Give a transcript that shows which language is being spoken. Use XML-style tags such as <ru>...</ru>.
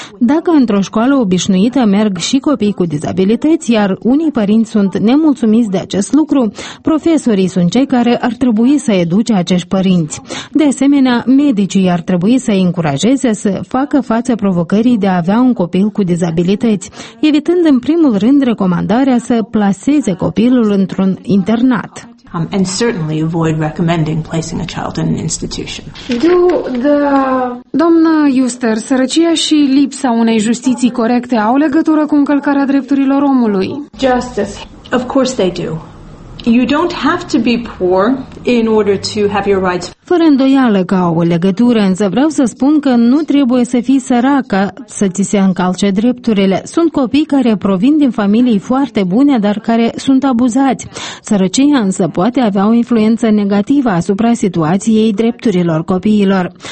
<ro>Dacă într-o școală obișnuită merg și copii cu dizabilități, iar unii părinți sunt nemulțumiți de acest lucru, profesorii sunt cei care ar trebui să educe acești părinți. De asemenea, medicii ar trebui să-i încurajeze să facă față provocării de a avea un copil cu dizabilități, evitând în primul rând recomandarea să placeze copilul într-un internat.</ro> <en>And certainly avoid recommending placing a child in an institution.</en> <ro>Doamnă Yuster, sărăcia și lipsa unei justiții corecte au legătură cu încălcarea drepturilor omului.</ro> <en>Justice. Of course they do. You don't have to be poor in order to have your rights.</en> <ro>Fără îndoială că au o legătură, însă vreau să spun că nu trebuie să fii săracă să ți se încalce drepturile. Sunt copii care provin din familii foarte bune, dar care sunt abuzați. Sărăcia însă poate avea o influență negativă asupra situației drepturilor copiilor.</ro>